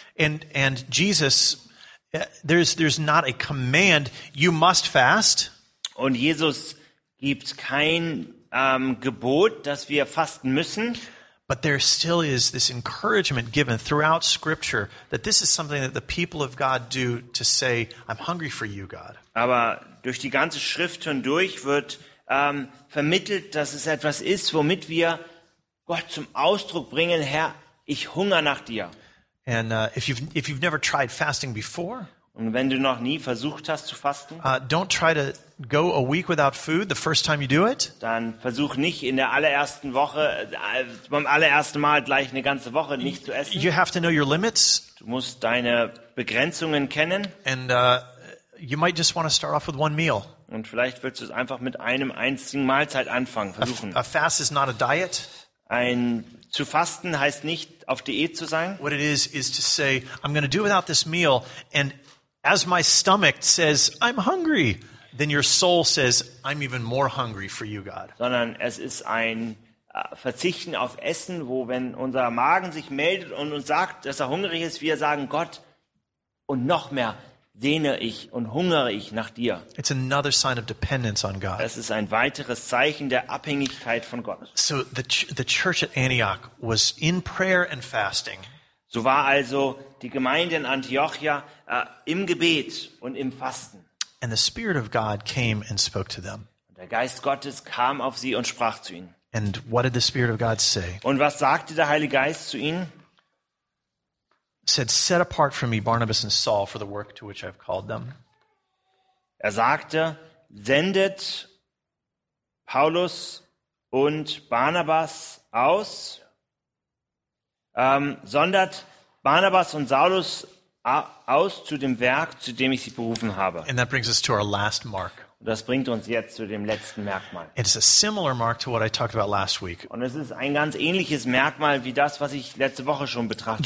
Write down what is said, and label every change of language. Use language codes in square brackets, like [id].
[en] And Jesus, there's not a command, you must fast. [de] Und Jesus gibt kein Gebot, dass wir fasten müssen. [en] But there still is this encouragement given throughout Scripture that this is something that the people of God do to say, "I'm hungry for you, God." [de] Aber durch die ganze Schrift hindurch wird vermittelt, dass es etwas ist, womit wir Gott zum Ausdruck bringen: Herr, ich hunger nach dir. [en] And if you've never tried fasting before. [de] Und wenn du noch nie versucht hast zu fasten, [en] don't try to go a week without food the first time you do it. [de] Dann versuch nicht in der allerersten Woche, beim allerersten Mal gleich eine ganze Woche nicht zu essen. [en] You have to know your limits. [de] Du musst deine Begrenzungen kennen. [en] And you might just want to start off with one meal. [de] Und vielleicht willst du es einfach mit einem einzigen Mahlzeit anfangen, versuchen. [en] A fast is not a diet. [de] Ein zu fasten heißt nicht auf Diät zu sein. [en] What it is to say, I'm going to do without this meal and as my stomach says, I'm hungry, then your soul says, I'm even more hungry for you, God. [de] Sondern es ist ein Verzichten auf Essen, wo wenn unser Magen sich meldet und uns sagt, dass er hungrig ist, wir sagen, Gott, und noch mehr sehne ich und hungere ich nach dir. [en] It's another sign of dependence on God. [de] Es ist ein weiteres Zeichen der Abhängigkeit von Gott. [en] So the church at Antioch was in prayer and fasting. [de] So war also die Gemeinde in Antiochia im Gebet und im Fasten. [en] And the Spirit of God came and spoke to them. [de] Der Geist Gottes kam auf sie und sprach zu ihnen. [en] And what did the Spirit of God say? [de] Und was sagte der Heilige Geist zu ihnen? [en] Said, set apart for me Barnabas and Saul for the work to which I have called them. [de] Er sagte, sendet Paulus und Barnabas aus. Sondert Barnabas und Saulus aus zu dem Werk, zu dem ich sie berufen habe. [en] And that brings us to our last mark. [de] Und das bringt uns jetzt zu dem letzten Merkmal. [en] It's a similar mark to what I talked about last week. [de] Und es ist ein ganz ähnliches Merkmal wie das, was ich letzte Woche schon betrachtet.